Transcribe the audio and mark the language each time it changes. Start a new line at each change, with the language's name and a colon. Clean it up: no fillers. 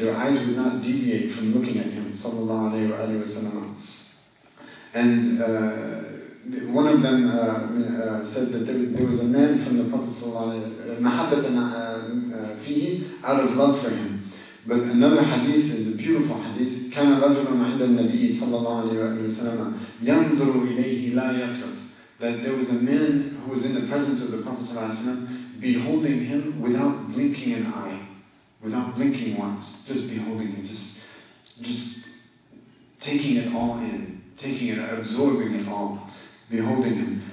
English: Their eyes would not deviate from looking at him, sallallahu alaihi wasallam. And one of them said that there was a man from the Prophet sallallahu alaihi wasallam, mahabbatan fihi, out of love for him. But another hadith is a beautiful hadith.
Arabic: كان رجل عند النبي صلى الله عليه وسلم ينظر إليه لا يترف.
English: That there was a man who was in the presence of the Prophet
Arabic: صلى الله عليه وسلم,
English: beholding him without blinking an eye, without blinking once, just beholding him, just taking it all in, taking it, absorbing it all, beholding him.